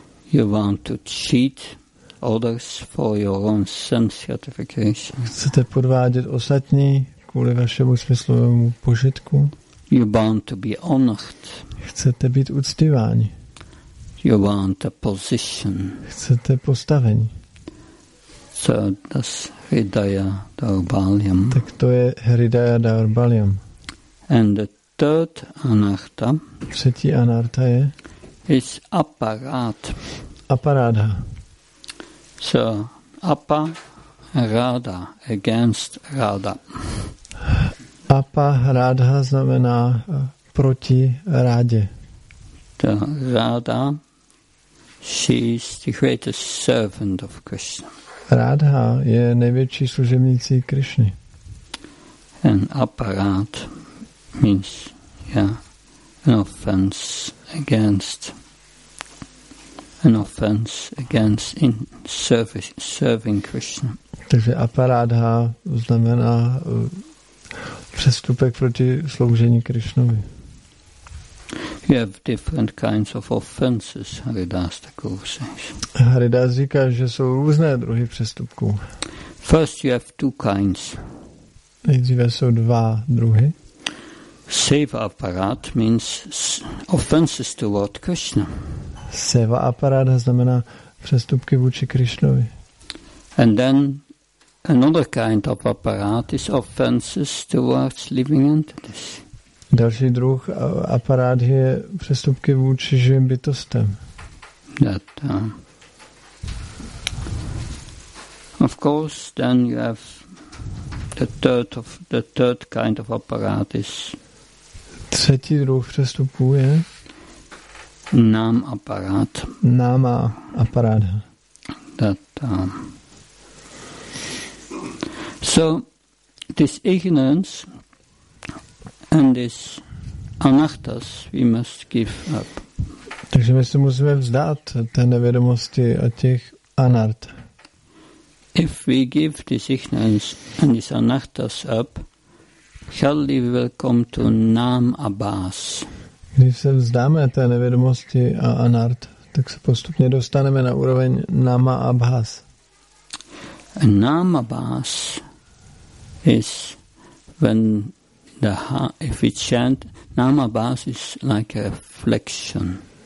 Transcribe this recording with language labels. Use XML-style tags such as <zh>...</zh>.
<en>You want to cheat others for your own sense gratification.</en> <cs>Chcete podvádět ostatní kvůli vašemu smyslovému požitku.</cs> <en>You want to be honored.</en> <cs>Chcete být uctíváni.</cs> <en>You want a position.</en> <cs>Chcete postavení.</cs> <en>So that's Hridaya Daurbalyam.</en> <cs>Tak to je Hridaya Daurbalyam.</cs> <en>And the third anartha.</en> <cs>Třetí anartha je.</cs> <en>Is aparád.</en> <cs>Aparádha.</cs> <en>So apa ráda against ráda.</en> <cs>Apa Radha znamená proti rádě.</cs> <en>To Radha, she is the greatest servant of Krishna.</en> <cs>Radha je největší služebnicí Krišny.</cs> <en>An apparat means, yeah, an offense against in serving Krishna.</en> <cs>Takže aparádha znamená přestupek proti sloužení Krišnovi.</cs> <en>You have different kinds of offenses, Haridas Thakur says.</en> <cs>Haridas říká, že jsou různé druhy přestupků.</cs> <en>First you have two kinds.</en> <cs>Nejdříve jsou dva druhy.</cs> <en>Seva aparat means offenses toward Krishna.</en> <cs>Seva aparat znamená přestupky vůči Krišnovi.</cs> <en>And then another kind of aparat is offenses towards living entities.</en> <cs>Další druh aparát je přestupky vůči živým bytostem.</cs> <en>That, of course, then you have the third kind of aparat is.</en> <cs>Třetí druh přestupů je. Nám aparát. Náma aparát.</cs> <en>That, so this ignorance and this anartas we must give up.</en> <cs>Takže my se musíme vzdát té nevědomosti a těch anart.</cs> <en>If we give this ignorance and this anartas up, surely we will come to nam abas.</en> <cs>Když se vzdáme té nevědomosti a anart, tak se postupně dostaneme na úroveň nama abhas.</cs> <en>Nam abas is when the heart, if we chant, namabhas is like a reflection.</en>